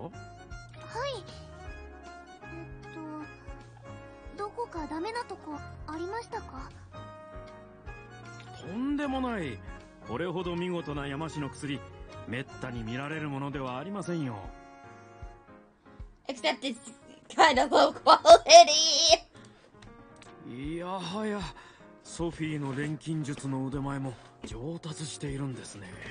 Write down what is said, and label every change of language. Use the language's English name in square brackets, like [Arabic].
[Japanese] はい。どこかダメなとこありましたか？とんでもない。これほど見事な山氏の薬、めったに見られるものではありませんよ。 [English] Except it's kind of low quality. [Japanese] いやはや、ソフィーの錬金術の腕前も上達しているんですね。